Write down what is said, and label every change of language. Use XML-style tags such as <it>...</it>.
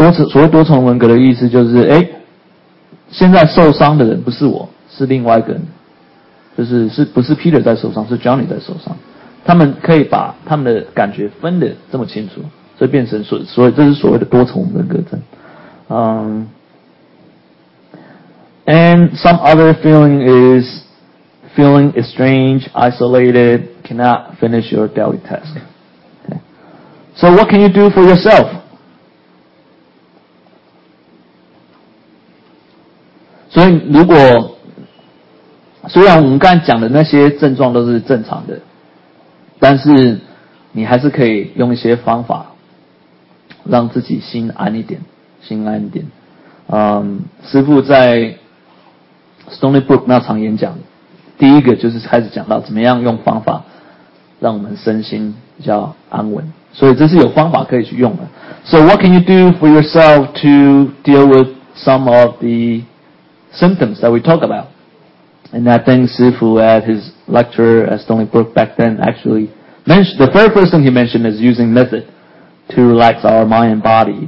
<zh>所谓多重人格的意思就是，现在受伤的人不是我，是另外一个人，就是不是 Peter 在受伤，是 Johnny 在受伤。他们可以把他们的感觉分得这么清楚，所以变成所谓的多重人格症。</zh> <en>And some other feeling is feeling estranged, isolated, cannot finish your daily task. Okay. So what can you do for yourself?</en> <zh>So, 虽然我们刚才讲的那些症状都是正常的, 但是你还是可以用一些方法, 让自己心安一点, 心安一点。师父在 Stony Brook 那场演讲, 第一个就是开始讲到怎么样用方法, 让我们身心比较安稳, 所以这是有方法可以去用的。</zh> <en>So what can you do for yourself to deal with some of the symptoms that we talk about? And I think Sifu at his lecture at Stony Brook back then actually mentioned, the very first thing he mentioned is using method to relax our mind and body.</en>